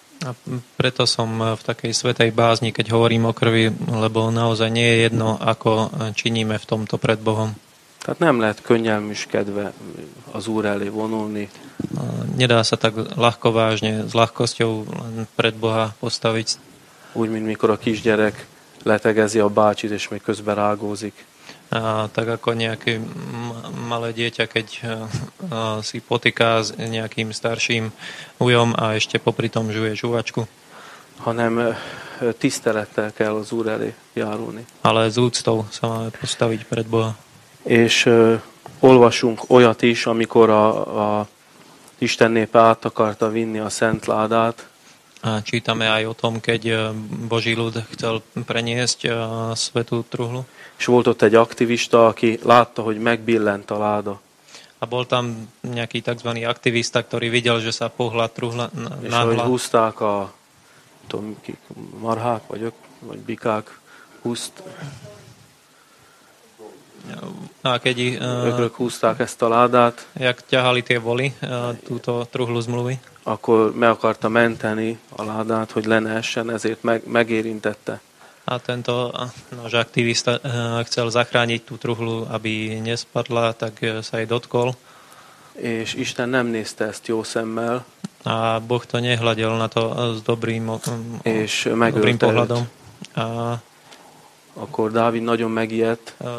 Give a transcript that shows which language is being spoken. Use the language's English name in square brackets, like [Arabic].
[Slovak] A preto som v takej svätej bázni, keď hovorím o krvi, lebo naozaj nie je jedno, ako činíme v tomto pred Bohom. [Hungarian] Tehát nem lehet könnyelműskedve az Úr elé vonulni. [Slovak] Nedá sa tak ľahko vážne, s ľahkosťou pred Boha postaviť. [Hungarian] Úgy, mint mikor a kisgyerek letegezi a bácsit, és még közben rágózik. [Slovak] A tak ako nejaké malé dieťa, keď si potýká s nejakým starším ujom a ešte popri tom žuje žuvačku. [Hungarian] Hanem tisztelettel kell az Úr elé járulni. [Slovak] Ale z úctou sa máme postaviť pred Boha. [Hungarian] És olvasunk olyat is, amikor a Isten népe át akarta vinni a szent ládát. [Slovak] A čítame aj o tom, keď Boží ľud chcel preniesť svetú truhlu. [Hungarian] És volt ott egy aktivista, aki látta, hogy megbillent a láda. [Slovak] A bol tam nejaký tzv. Aktivista, ktorý videl, že sa pohla truhla na hlad. [Hungarian] És húzták [Slovak] a tom, [Hungarian] marhák, vagy bikák, húzt. [Slovak] A keď [Hungarian] ökrök húzták ezt a ládát, [Slovak] jak ťahali tie voli túto truhlu zmluvy, [Hungarian] akkor meg akarta menteni a ládát, hogy le ne essen, ezért megérintette. [Slovak] A tento náš aktivista chcel zachrániť tú truhlu, aby nespadla, tak sa jej dotkol. [Hungarian] És Isten nem nézte ezt jó szemmel. [Slovak] A Boh to nehľadel na to s dobrým, és dobrým pohľadom. A [Hungarian] akkor Dávid nagyon megijedt.